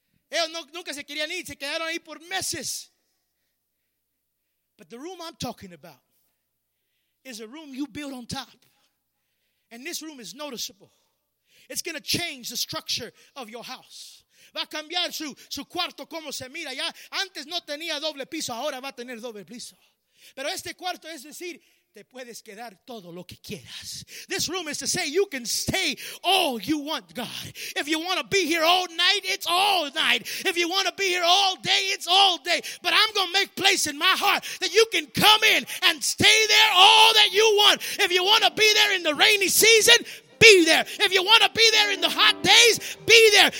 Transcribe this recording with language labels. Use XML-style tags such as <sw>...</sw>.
<es>Ellos nunca se querían ir, se quedaron ahí por meses.</es> <en>But the room I'm talking about is a room you build on top. And this room is noticeable. It's going to change the structure of your house.</en> <es>Va a cambiar su cuarto como se mira. Ya antes no tenía doble piso, ahora va a tener doble piso. Pero este cuarto es decir, te puedes quedar todo lo que quieras.</es> <en>This room is to say you can stay all you want, God. If you want to be here all night, it's all night. If you want to be here all day, it's all day. But I'm going to make place in my heart that you can come in and stay there all that you want. If you want to be there in the rainy season, be there. If you want to be there in the hot days, be there.</en>